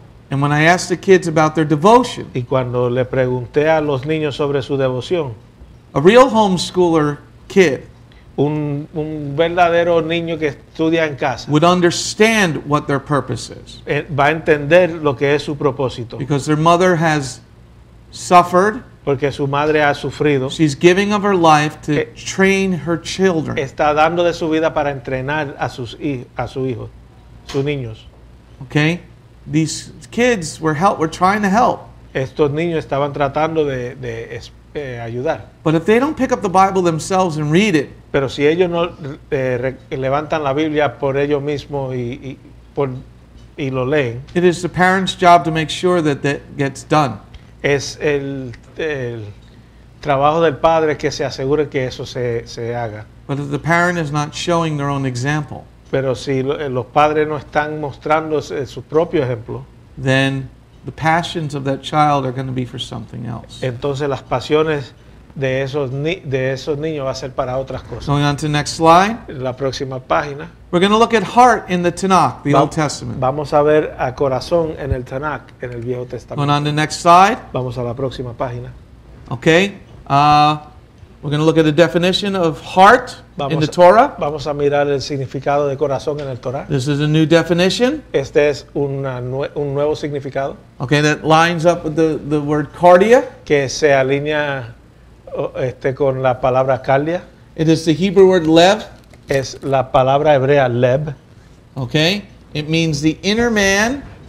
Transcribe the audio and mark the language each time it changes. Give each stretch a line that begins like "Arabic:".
English: And when I asked the kids about their devotion,
Spanish: y cuando le pregunté a los niños sobre su devoción,
English: a real homeschooler kid,
Spanish: un verdadero niño que estudia en casa,
English: would understand what their purpose is.
Spanish: Va a entender lo que es su propósito.
English: Because their mother has suffered,
Spanish: porque su madre ha sufrido.
English: She's giving of her life to train her children.
Spanish: Está dando de su vida para entrenar a sus hijos, sus niños.
English: Okay, these kids were trying to help.
Spanish: estos niños estaban tratando de ayudar.
English: But if they don't pick up the Bible themselves and read it,
Spanish: pero si ellos no levantan la Biblia por ellos mismos y lo leen,
English: it is the parents' job to make sure that that gets done.
Spanish: Es el trabajo del padre que se asegure que eso se haga.
English: But if the parent is not showing their own example,
Spanish: pero si los padres no están mostrando su propio ejemplo,
English: then the passions of that child are going to be for something else.
Spanish: Entonces las pasiones de esos niños va a ser para otras cosas.
English: Going on to the next slide.
Spanish: La próxima página.
English: We're going to look at heart in the Tanakh, the Old Testament.
Spanish: Vamos a ver a corazón en el Tanakh, en el Viejo Testamento.
English: Going on to the next slide.
Spanish: Vamos a la próxima página.
English: Okay. We're going to look at the definition of heart in the Torah.
Spanish: Vamos a mirar el significado de corazón en el Torah.
English: This is a new definition.
Spanish: Este es un nuevo significado.
English: Okay, that lines up with the word kardia.
Spanish: Que se alinea con la palabra kardia.
English: It is the Hebrew word lev.
Spanish: Es la palabra hebrea lev.
English: Okay, it means the inner man.